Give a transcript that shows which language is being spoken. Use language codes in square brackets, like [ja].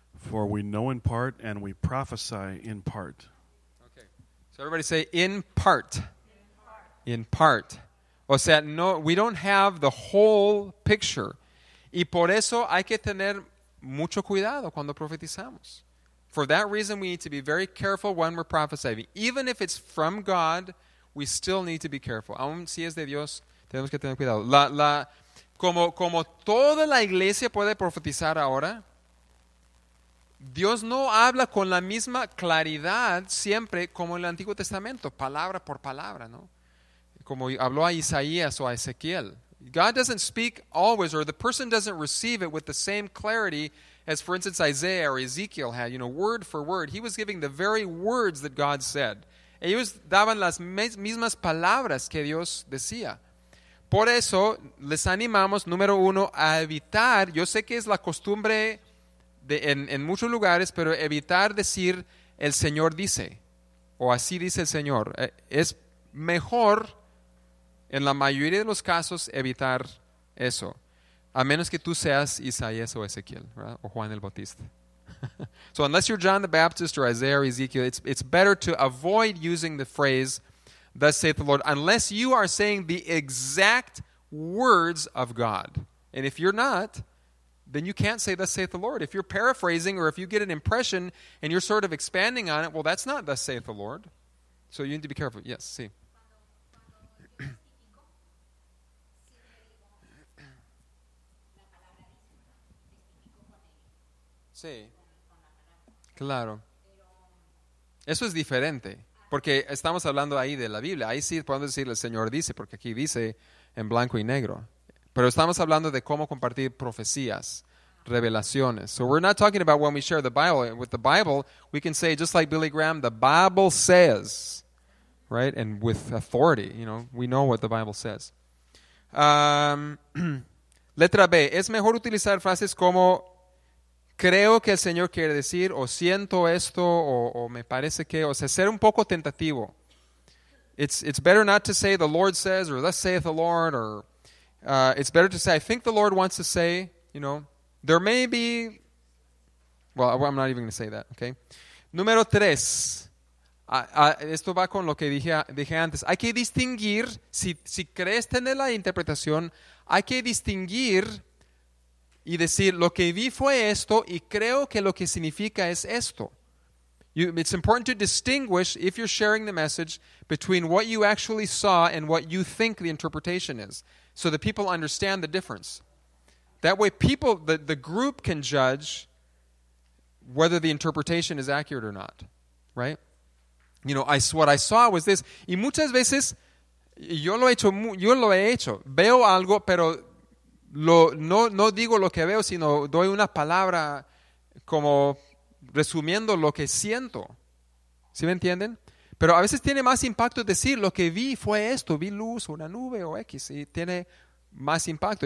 [en] For we know in part and we prophesy in part. Okay. So everybody say, in part. In part. In part. [es] O sea, no, [en] we don't have the whole picture. [es] Y por eso hay que tener mucho cuidado cuando profetizamos. [en] For that reason, we need to be very careful when we're prophesying. Even if it's from God, we still need to be careful. [es] Aun si es de Dios, tenemos que tener cuidado. Como toda la iglesia puede profetizar ahora, Dios no habla con la misma claridad siempre como en el Antiguo Testamento, palabra por palabra, ¿no? Como habló a Isaías o a Ezequiel. [en] God doesn't speak always, or the person doesn't receive it with the same clarity as, for instance, Isaiah or Ezekiel had, you know, word for word. He was giving the very words that God said. [es] Ellos daban las mismas palabras que Dios decía. Por eso, les animamos, número uno, a evitar, yo sé que es la costumbre de, en muchos lugares, pero evitar decir, el Señor dice, o así dice el Señor. Es mejor, en la mayoría de los casos, evitar eso. A menos que tú seas Isaías o Ezequiel, ¿verdad? O Juan el Bautista. [en] So unless you're John the Baptist or Isaiah or Ezekiel, it's better to avoid using the phrase, thus saith the Lord, unless you are saying the exact words of God. And if you're not, then you can't say, thus saith the Lord. If you're paraphrasing or if you get an impression and you're sort of expanding on it, well, that's not thus saith the Lord. So you need to be careful. Yes, see. [es] Sí. Claro. Eso es diferente. Porque estamos hablando ahí de la Biblia. Ahí sí podemos decir el Señor dice, porque aquí dice en blanco y negro. Pero estamos hablando de cómo compartir profecías, revelaciones. [en] So we're not talking about when we share the Bible. With the Bible, we can say, just like Billy Graham, the Bible says, right? And with authority, you know, we know what the Bible says. [es] letra B. Es mejor utilizar frases como, creo que el Señor quiere decir, o siento esto, o me parece que, o sea, ser un poco tentativo. [en] It's better not to say the Lord says, or thus saith the Lord, or it's better to say, I think the Lord wants to say, you know, there may be, well, I'm not even going to say that, okay? [es] Número tres, esto va con lo que dije antes. Hay que distinguir, si crees tener la interpretación, hay que distinguir y decir, lo que vi fue esto, y creo que lo que significa es esto. [en] It's important to distinguish, if you're sharing the message, between what you actually saw and what you think the interpretation is, so that people understand the difference. That way people, the group can judge whether the interpretation is accurate or not, right? You know, what I saw was this. [es] Y muchas veces, yo lo he hecho, veo algo, pero... No digo lo que veo, sino doy una palabra como resumiendo lo que siento. ¿Sí me entienden? Pero a veces tiene más impacto decir lo que vi fue esto, vi luz o una nube o X, y tiene más impacto.